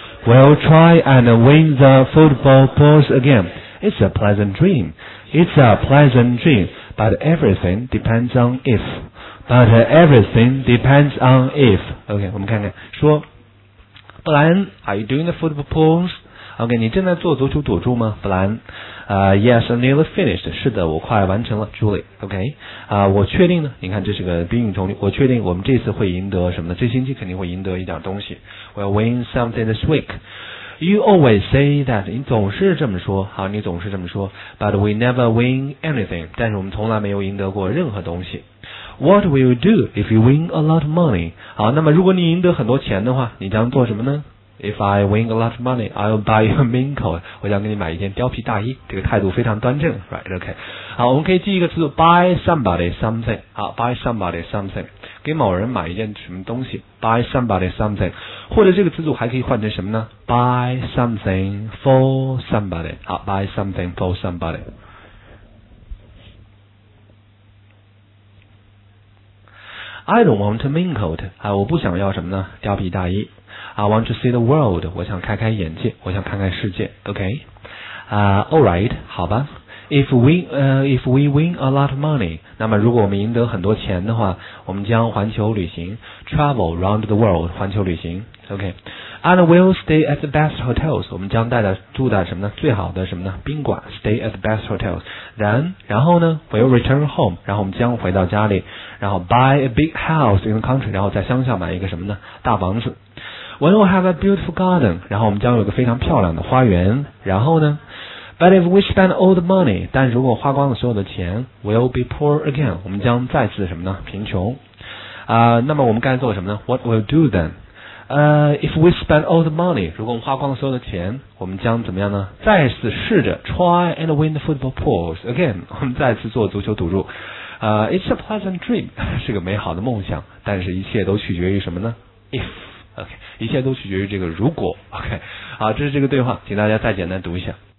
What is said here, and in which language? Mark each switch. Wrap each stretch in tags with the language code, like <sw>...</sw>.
<en>We'll try and win the football pools again. It's a pleasant dream. It's a pleasant dream. But everything depends on if. But everything depends on if.</en> <zh>Okay, 我们看看。</zh> <en>说，布莱恩 ，Are you doing the football pools?</en> <zh>Okay, 你正在做足球赌注吗，布莱恩？</zh> <en>Yes, I'm nearly finished.</en> <zh>是的，我快完成了 ,Julie.</zh> <en>OK.</en> <zh>我确定呢，你看这是个宾语从句，我确定我们这次会赢得什么呢，这星期肯定会赢得一点东西。</zh> <en>We'll win something this week. You always say that.</en> <zh>你总是这么说。好，你总是这么说。</zh> <en>But we never win anything.</en> <zh>但是我们从来没有赢得过任何东西。</zh> <en>What will you do if you win a lot of money?</en> <zh>好，那么如果你赢得很多钱的话，你将做什么呢？</zh> <en>If I win a lot of money, I'll buy you a mink coat.</en> <zh>我想给你买一件貂皮大衣。这个态度非常端正 ，right? OK. 好，我们可以记一个词 ，</zh> <en>buy somebody something.</en> <zh>好 ，buy somebody something. 给某人买一件什么东西 ？</zh> <en>Buy somebody something.</en> <zh>或者这个词组还可以换成什么呢 ？</zh> <en>Buy something for somebody. 好 ，buy something for somebody. 好 I don't want a mink coat.</en> <zh>啊，我不想要什么呢？貂皮大衣。</zh> <en>I want to see the world.</en> <zh>我想开开眼界，我想看看世界。OK. Alright. 好吧。</zh> <en>If we win a lot of money,</en> <zh>那么如果我们赢得很多钱的话，我们将环球旅行 ，</zh> <en>travel round the world,</en> <zh>环球旅行。</zh> <en>OK. And we'll stay at the best hotels.</en> <zh>我们将带着住在什么呢？最好的什么呢？宾馆。</zh> <en>Stay at the best hotels. Then,</en> <zh>然后呢</zh> <en>？We'll return home.</en> <zh>然后我们将回到家里。</zh> <en>然后 buy a big house in the country.</en> <zh>然后在乡下买一个什么呢？大房子。</zh> <en>When we have a beautiful garden,</en> <zh>然后我们将有一个非常漂亮的花园。</zh> <en>然后呢 ？But if we spend all the money,</en> <zh>但如果花光了所有的钱</zh> <en>，we'll be poor again.</en> <zh>我们将再次什么呢？贫穷。那么我们该做什么呢 ？</zh> <en>What we'll do then? If we spend all the money,</en> <zh>如果我们花光了所有的钱，我们将怎么样呢？再次试着</zh> <en>try and win the football pools again.</en> <zh>我们再次做足球赌注。</zh> <en>It's a pleasant dream,</en> <zh>是个美好的梦想，但是一切都取决于什么呢 ？If OK, 一切都取决于这个如果 OK, 好，这是这个对话，请大家再简单读一下。</zh>